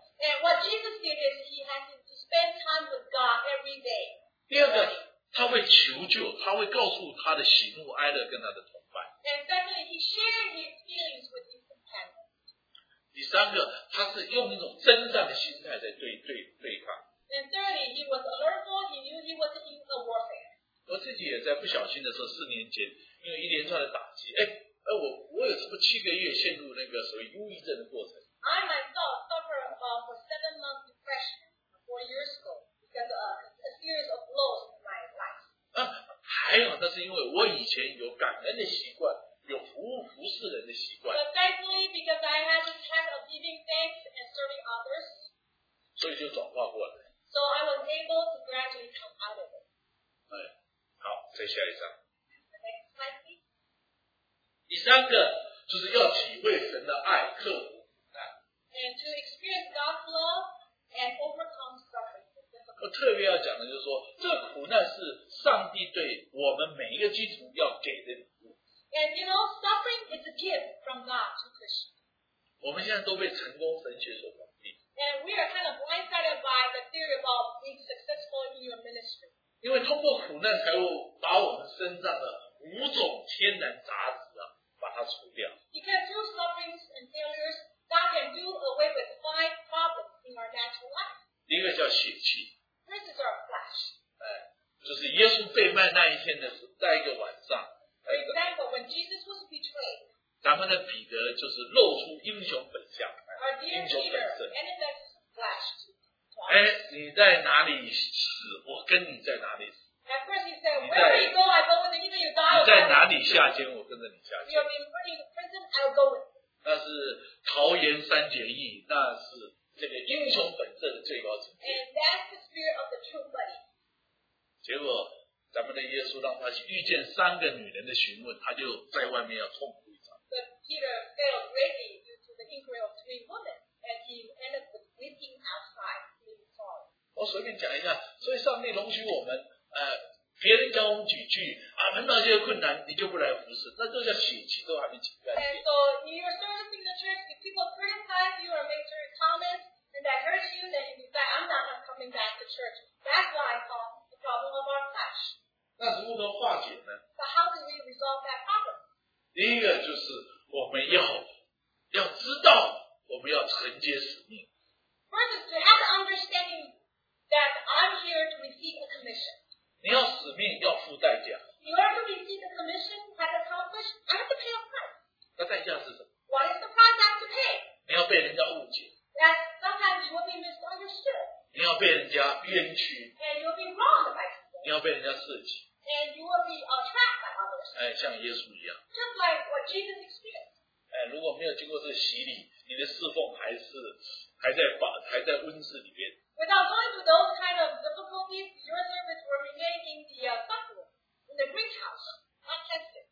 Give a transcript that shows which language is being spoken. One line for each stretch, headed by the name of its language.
English: And what Jesus did is he had to spend time with God every day.
Chinese: 第二个，他会求救，他会告诉他的喜怒哀乐跟他的同伴。
English: And secondly, he shared his feelings with his companions.
Chinese: 第三个，他是用一种征战的心态在对抗。
English: And thirdly, he was alertful, he knew he was in a warfare.
Chinese: 我自己也在不小心的时候，4年前。 因为一连串的打击，哎，我有这么七个月陷入那个所谓忧郁症的过程。
English: I myself suffered about for 7 months depression 4 years ago because of a series of loss in my life.
Chinese: 还好，那是因为我以前有感恩的习惯，有服侍人的习惯。
English: But thankfully, because I had a habit of giving thanks and serving others,
Chinese: 所以就转化过来。
English: So I was able to gradually come out of it.
Chinese: 好，再下一张。
English: The next slide, please.
Chinese: 第三个就是要体会神的爱，克服。
English: And to experience God's love and overcome suffering.
Chinese: 我特别要讲的就是说，这苦难是上帝对我们每一个基督徒要给的礼物。
English: And you know, suffering is a gift from God to Christians.
Chinese: 我们现在都被成功神学所绑定。
English: And we are kind of blindsided by the theory about being successful in your ministry.
Chinese: 因为通过苦难才会把我们身上的五种天然杂质啊，把它除掉。
English: Because through sufferings and failures. God can do away with five problems in our natural life.
Chinese: 第一个叫血气。
English: This is our flesh.
Chinese: 就是耶稣被卖那一天的时候，在一个晚上。
English: For example, when Jesus was betrayed.
Chinese: 咱们的彼得就是露出英雄本相。
English: Our dear Peter ended up flesh.
Chinese: 你在哪里死，我跟你在哪里死。
English: At first he said, where do you go, I go with you, either you die or you.
Chinese: 你在哪里下监，我跟着你下监。
English: You have been put into prison, I'll go with you.
Chinese: 那是桃园三结义，那是这个英雄本色的最高境界。
English: And that's the spirit of the true buddy.
Chinese: 结果，咱们的耶稣让他遇见三个女人的询问，他就在外面要痛苦一场。
English: But Peter failed greatly due to the inquiry of three women, and he ended up weeping outside in sorrow.
Chinese: 我随便讲一下，所以上帝容许我们，别人教我们几句啊，碰到这些困难你就不来服侍，那都叫血气都还没清干净。
English: And so in your service in the church, if people criticize you or make certain comments and that hurts you, then you decide I'm not coming back to church. That's what I call the problem of our flesh.
Chinese: 那如何化解呢？
English: So how do we resolve that problem?
Chinese: 第一个就是我们要知道我们要承接使命。
English: First is to have the understanding that I'm here to receive a commission.
Chinese: 你要使命，要付代价。
English: You are to receive the commission has accomplished. I have to pay a price.
Chinese: 那代价是什么？
English: What is the price I have to pay?
Chinese: 你要被人家误解。
English: That sometimes you will be misunderstood.
Chinese: 你要被人家冤屈。
English: And you will be wronged by people.
Chinese: 你要被人家设计。
English: And you will be attracted by others.
Chinese: 像耶稣一样。
English: Just like what Jesus experienced.
Chinese: 如果没有经过这个洗礼，你的侍奉还在温室里面。
English: Without going through those kind of difficulties, your service will remain in the back room, in the great house, untested.